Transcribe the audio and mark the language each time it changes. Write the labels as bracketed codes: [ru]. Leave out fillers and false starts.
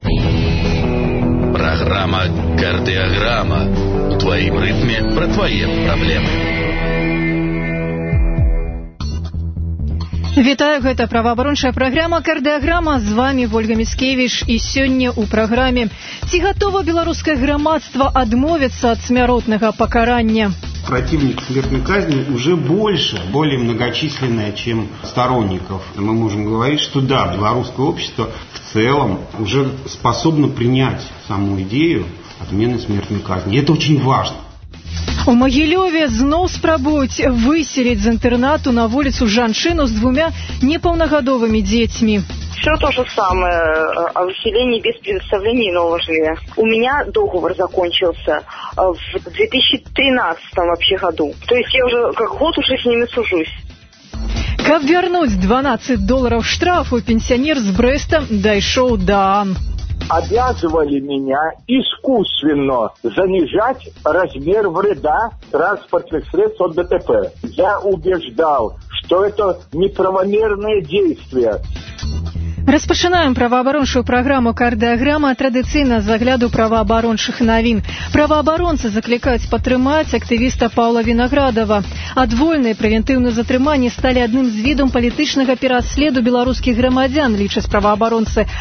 [ru] Программа «Кардиограмма». В твоем ритме про твои проблемы. [be] Вітаю, гэта праваабаронча праграма «Кардыаграма». З вами Вольга Міцкевіч, і сёння ў праграме: ці гатова беларускае грамадства адмовіцца ад смяротнага пакарання? [ru] Противник смертной казни уже больше, более многочисленное, чем сторонников. Мы можем говорить, что да, белорусское общество в целом уже способно принять саму идею отмены смертной казни. И это очень важно. [be] У Магілёве зноў спрабуюць выселіць з інтэрнату на вуліцу жанчыну з двумя непаўнагадовымі дзецьмі. [ru] Все то же самое, о выселении без предоставления нового жилья. У меня договор закончился в 2013 вообще году. То есть я уже как год уже с ними сужусь. [be] Каб вернуть $12 штрафу, пенсионер с Брэста дайшоў да Ан. [ru] Обязывали меня искусственно занижать размер вреда транспортных средств от ДТП. Я убеждал, что это неправомерное действие. [be] Распачынаем праваабарончую праграму «Кардыаграма» традыцыйна з агляду праваабарончых навін. Праваабаронцы заклікаюць падтрымаць актывіста Паўла Вінаградава. Адвольныя прэвентыўныя затрыманні сталі адным з відаў палітычнага пераследу беларускіх грамадзян, лічаць праваабаронцы.